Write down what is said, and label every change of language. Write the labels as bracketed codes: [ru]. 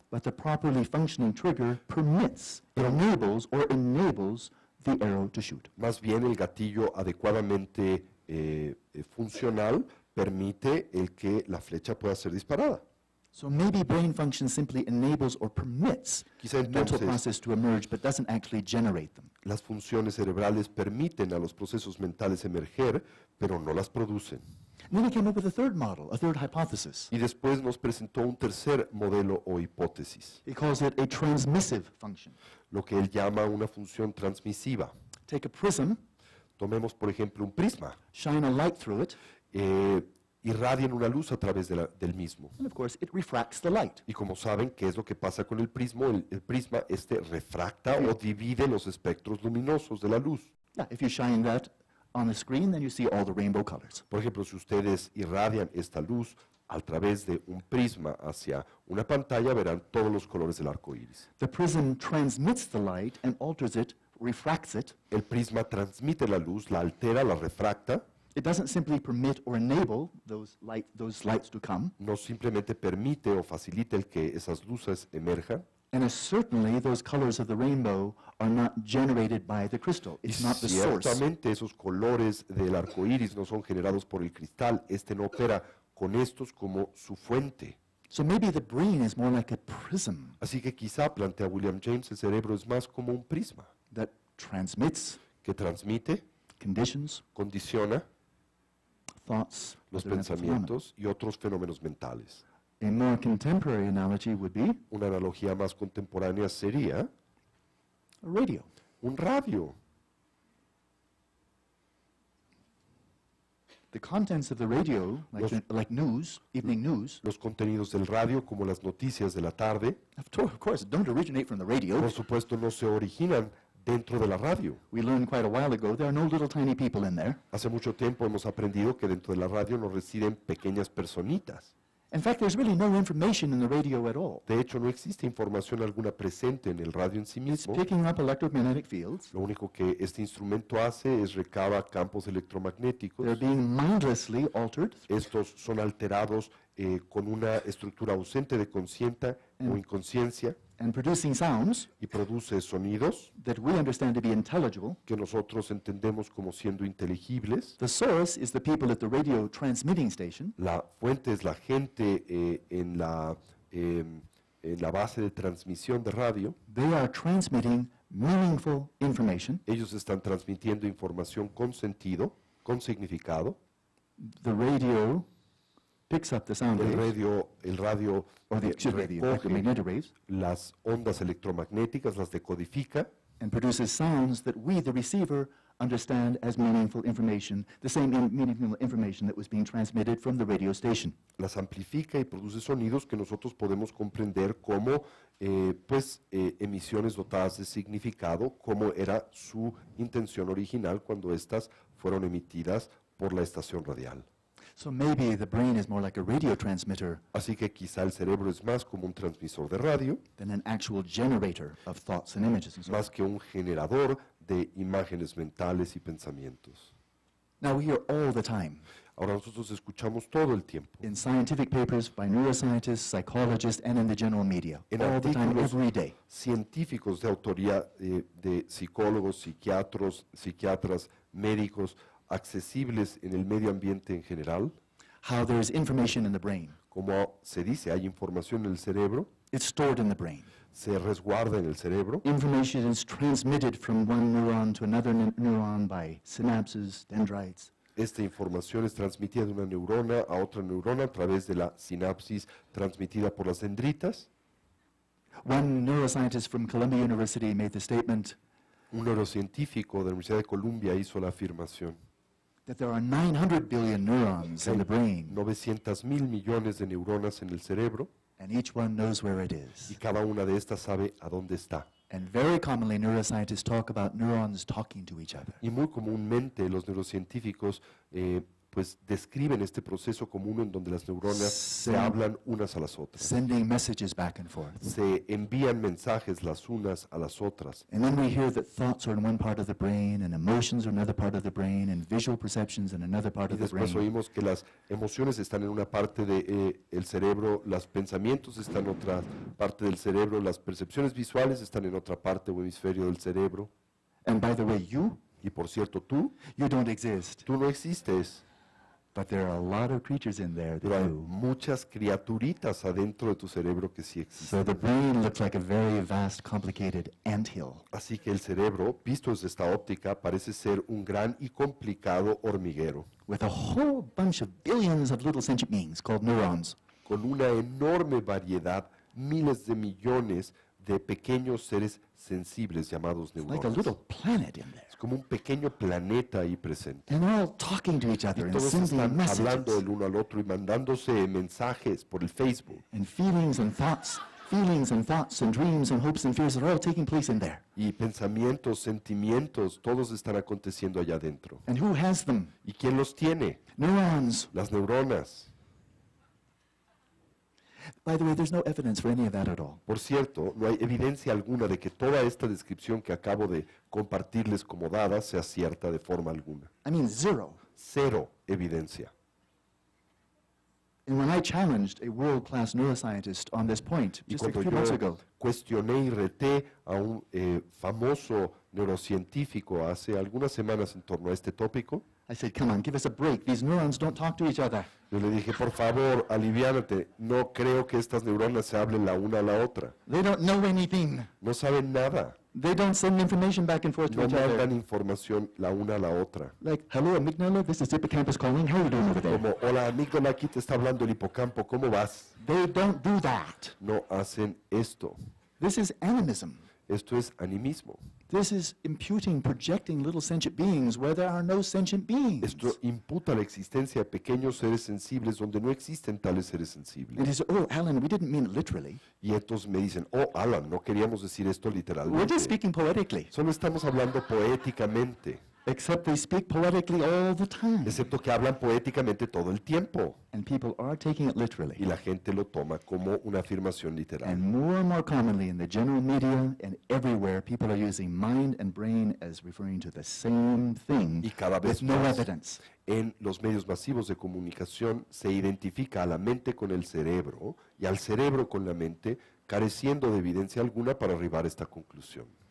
[en] but the properly functioning trigger permits, enables, or enables the arrow to shoot. [es] Más bien el gatillo adecuadamente funcional permite el que la flecha pueda ser disparada. [en] So maybe brain function simply enables or permits [es] quizá entonces [en] mental processes to emerge, but doesn't actually generate them. [es] Las funciones cerebrales permiten a los procesos mentales emerger, pero no las producen. [en] Then he came up with a third model, a third hypothesis. [es] Y después nos presentó un tercer modelo o hipótesis. [en] He calls it a transmissive function. [es] Lo que él llama una función transmisiva. [en] Take a prism. [es] Tomemos, por ejemplo, un prisma. [en] Shine a light through it. [es] Irradien una luz a través del mismo. [en] And of course, it refracts the light. [es] Y como saben, ¿qué es lo que pasa con el prisma? El prisma este refracta o divide los espectros luminosos de la luz. [en] Yeah, if you shine that on the screen, then you see all the rainbow colors. [es] Por ejemplo, si ustedes irradian esta luz a través de un prisma hacia una pantalla, verán todos los colores del arco iris. [en] The prism transmits the light and alters it, refracts it. [es] El prisma transmite la luz, la altera, la refracta. [en] It doesn't simply permit or enable those lights to come. [es] No simplemente permite o facilita el que esas luces emerjan. [en] And certainly those colors of the rainbow are not generated by the crystal. It's not the source. [es] Ciertamente esos colores del arco iris no son generados por el cristal. Este no opera con estos como su fuente. [en] So maybe the brain is more like a prism. [es] Así que quizá, plantea William James, el cerebro es más como un prisma. [en] That transmits. [es] Que transmite. [en] Conditions. [es] Condiciona. [en] thoughts, [es] los pensamientos y otros fenómenos mentales. [en] A more contemporary analogy would be, [es] una analogía más contemporánea sería, [en] a radio. [es] Un radio. [en] The contents of the radio, like news, evening news. [es] Los contenidos del radio, como las noticias de la tarde. [en] Of course, don't originate from the radio. [es] Por supuesto, no se originan dentro de la radio. [en] We learned quite a while ago there are no little tiny people in there. [es] Hace mucho tiempo hemos aprendido que dentro de la radio no residen pequeñas personitas. [en] In fact, there's really no information in the radio at all. [es] De hecho, no existe información alguna presente en el radio en sí mismo. [en] It's picking up electromagnetic fields. [es] Lo único que este instrumento hace es recaba campos electromagnéticos. [en] They're being mindlessly altered. [es] Estos son alterados con una estructura ausente de conciencia o inconsciencia. [en] And producing sounds, [es] y produce sonidos, [en] that we understand to be intelligible, [es] que nosotros entendemos como siendo inteligibles. [en] The source is the people at the radio transmitting station. [es] La fuente es la gente en la base de transmisión de radio. [en] They are transmitting meaningful information. [es] Ellos están transmitiendo información con sentido, con significado. [en] The radio picks up the sound waves. [es] El radio [en] or the electromagnetic waves. [es] Las ondas electromagnéticas las decodifica. [en] And produces sounds that we, the receiver, understand as meaningful information, the same meaningful information that was being transmitted from the radio station. [es] Las amplifica y produce sonidos que nosotros podemos comprender como emisiones dotadas de significado, como era su intención original cuando estas fueron emitidas por la estación radial. [en] So maybe the brain is more like a radio transmitter. [es] Así que quizá el cerebro es más como un transmisor de radio. [en] Than an actual generator of thoughts and images. And so [es] más que un generador de imágenes mentales y pensamientos. [en] Now we hear all the time. [es] Ahora nosotros escuchamos todo el tiempo. [en] In scientific papers by neuroscientists, psychologists, and in the general media. [es] En [en] all the time, every day. [es] Científicos de autoría de psicólogos, psiquiatros, psiquiatras, médicos. Accesibles en el medio ambiente en general. [en] How there is information in the brain. [es] Como se dice, hay información en el cerebro. [en] It's stored in the brain. [es] Se resguarda en el cerebro. [en] Information is transmitted from one neuron to another neuron by synapses, dendrites. [es] Esta información es transmitida de una neurona a otra neurona a través de la sinapsis transmitida por las dendritas. [en] One neuroscientist from Columbia University made the statement. [es] Un neurocientífico de la Universidad de Columbia hizo la afirmación. [en] That there are 900 billion neurons in the brain. [es] 900,000 millones de neuronas en el cerebro. [en] And each one knows where it is. [es] Y cada una de estas sabe a dónde está. [en] And very commonly, neuroscientists talk about neurons talking to each other. [es] Y muy comúnmente los neurocientíficos describen este proceso común en donde las neuronas se hablan unas a las otras. [en] Sending messages back and forth. [es] Se envían mensajes las unas a las otras. [en] And then we hear that thoughts are in one part of the brain, and emotions are in another part of the brain, and visual perceptions in another part of the brain. [es] Y después oímos que las emociones están en una parte de el cerebro, los pensamientos están en otra parte del cerebro, las percepciones visuales están en otra parte o hemisferio del cerebro. [en] And by the way, you. [es] Y por cierto, tú. [en] You don't exist. [es] Tú no existes. [en] But there are a lot of creatures in there that do. [es] Muchas criaturitas adentro de tu cerebro que sí existen. [en] So the brain looks like a very vast, complicated anthill. [es] Así que el cerebro, visto desde esta óptica, parece ser un gran y complicado hormiguero. [en] With a whole bunch of billions of little sentient beings called neurons. [es] Con una enorme variedad, miles de millones de pequeños seres sensibles llamados neuronas. [en] Like a little planet in there. [es] Es como un pequeño planeta ahí presente. [en] And all talking to each other [es] y todos [en] and sending messages. [es] Hablando el uno al otro y mandándose mensajes por el Facebook. [en] And feelings and thoughts and dreams and hopes and fears are all taking place in there. [es] Y pensamientos, sentimientos, todos están aconteciendo allá adentro. [en] And who has them? [es] ¿Y quién los tiene? [en] Neurons. [es] Las neuronas. [en] By the way, there's no evidence for any of that at all. [es] Por cierto, no hay evidencia alguna de que toda esta descripción que acabo de compartirles como dada sea cierta de forma alguna. [en] I mean, zero. [es] Cero evidencia. [en] And when I challenged a world-class neuroscientist on this point just a few months ago, [es] cuestioné y reté a un famoso neurocientífico hace algunas semanas en torno a este tópico. [en] I said, come on, give us a break. These neurons don't talk to each other. [es] Yo le dije, por favor, aliviánate. No creo que estas neuronas se hablen la una a la otra. [en] They don't know anything. [es] No saben nada. [en] They don't send information back and forth [es] no [en] to each other. [es] No mandan información la una a la otra. [en] Like, hello, amígdala, this is hippocampus calling. How are you doing over there? [es] Como, hola, amígdala, aquí te está hablando el hipocampo. ¿Cómo vas? [en] They don't do that. [es] No hacen esto. [en] This is animism. [es] Esto es animismo. [en] This is imputing, projecting little sentient beings where there are no sentient beings. [es] Esto imputa la existencia de pequeños seres sensibles donde no existen tales seres sensibles. [en] And he says, oh, Alan, we didn't mean it literally. [es] Y entonces me dicen, oh, Alan, no queríamos decir esto literalmente. [en] We're just speaking poetically. [es] Solo estamos hablando poéticamente. [en] Except they speak poetically all the time. [es] Excepto que hablan poéticamente todo el tiempo. [en] And people are taking it literally. [es] Y la gente lo toma como una afirmación literal. [en] And more and more commonly in the general media and everywhere, people are using mind and brain as referring to the same thing. [es] Y cada vez [en] with no evidence. [es] En los medios masivos de comunicación se identifica a la mente con el cerebro y al cerebro con la mente, careciendo de evidencia alguna para arribar a esta conclusión.